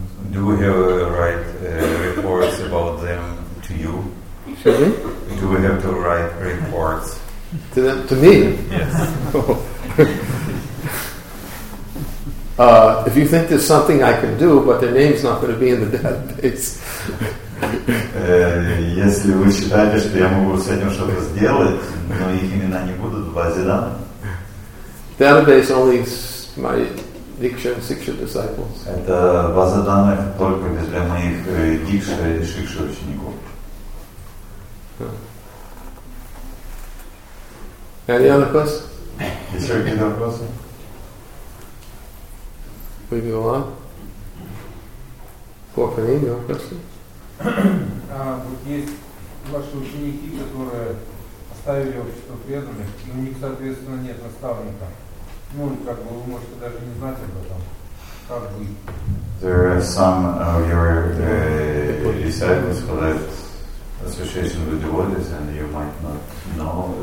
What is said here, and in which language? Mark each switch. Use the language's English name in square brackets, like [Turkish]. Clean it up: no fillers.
[English] Do we have to write reports about them to you? Should we? Do we have to write reports? To them, to me? Yes. If you think there's something I can do, but their name's not going to be in the database. [Russian] Если вы считаете, что я могу с этим что-то сделать, но их имена не будут в базе данных. [English] Database only my Diksha and Siksha disciples. [Russian] Это база данных только для моих Diksha и Siksha учеников. [English] Any other question? Is there any other question? We go on. For Fanny, your question? [Russian] Вот есть ваши ученики, которые оставили общество преданных, и у них, соответственно, нет наставника. Ну, как бы вы можете даже не знать об этом. Как бы. [English] There are some of your disciples who left association with devotees, and you might not know.